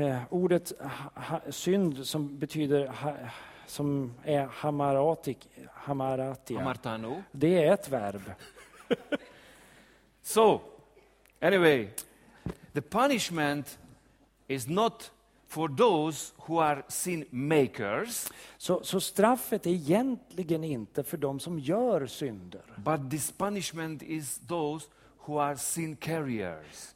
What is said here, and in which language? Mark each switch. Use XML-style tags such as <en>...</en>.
<sv>Ordet synd som betyder som är hamartano, det är ett verb.</sv> <en>So anyway, the punishment is not for those who are sin makers.</en> <sv>Så straffet är egentligen inte för de som gör synder.</sv> <en>But this punishment is those who are sin carriers.</en>